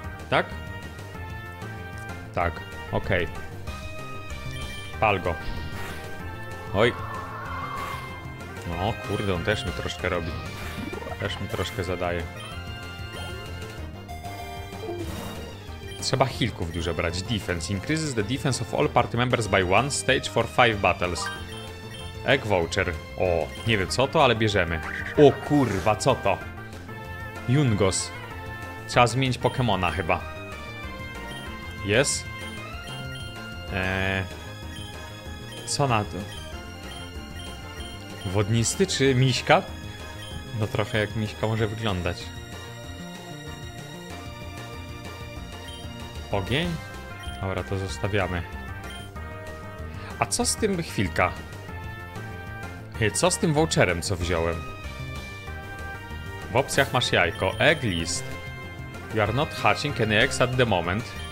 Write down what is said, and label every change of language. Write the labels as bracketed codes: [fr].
[pl] Tak? Tak, okej. Okay. Pal go. Oj. No, kurde, on też mi troszkę robi. Też mi troszkę zadaje. Trzeba healków dużo brać. [en] Defense. Increases the defense of all party members by one stage for 5 battles. [pl] Egg voucher. O, nie wiem co to, ale bierzemy. O kurwa, co to? Yungos. Trzeba zmienić Pokemona chyba. Jest? Co na to? Wodnisty czy miśka? No trochę jak miśka może wyglądać. Ogień? Dobra, to zostawiamy. A co z tym chwilka? Co z tym voucherem, co wziąłem? W opcjach masz jajko. Egg list. [en] You are not hatching any eggs at the moment.